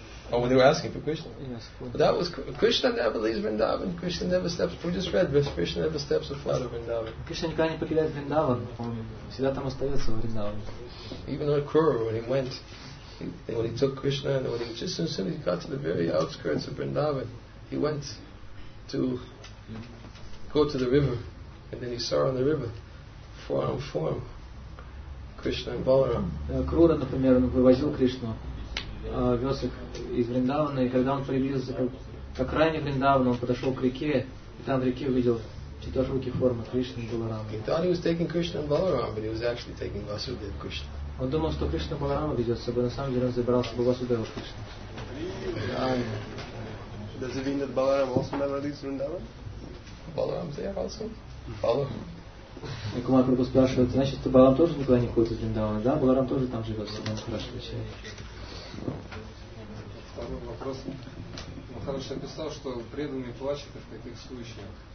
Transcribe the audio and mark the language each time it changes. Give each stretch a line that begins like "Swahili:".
English: Oh, when they were asking for Krishna. Yes. But that was Krishna never leaves Vrindavan. Krishna never steps. We just read this. Krishna never steps afoot of Vrindavan.
Russian: Krishna никогда не покидает Вриндаван. Он всегда там остается в Вриндаване.
English: Even on Kuru, when he went, when he took Krishna, and when he just as soon as he got to the very outskirts of Vrindavan, he went to go to the river, and then he saw on the river form form Krishna and Balaram.
Russian: Крура, например, он вывозил Кришну. Вез их из Вриндавана, и когда он приблизился к окраине Вриндавана, он подошел к реке, и там в реке увидел четырехрукие формы Кришны и Баларамы.
English: He thought he was taking Krishna and Balaram, but he was actually taking Vasudev Krishna.
Russian: Он думал, что Кришна Баларама ведет с собой, на самом деле он забирался бы Васудеву Кришну.
English: Does it mean that Balaram also never leaves Vrindavan? Balaram's there also? Balaram.
Russian: И Кумар Прабху спрашивает, значит, Баларам тоже никуда не ходит из Вриндавана? Да, Баларам тоже там живет, он хорошо отвечает. Второй вопрос. Махараш описал, что преданный плачет в каких случаях?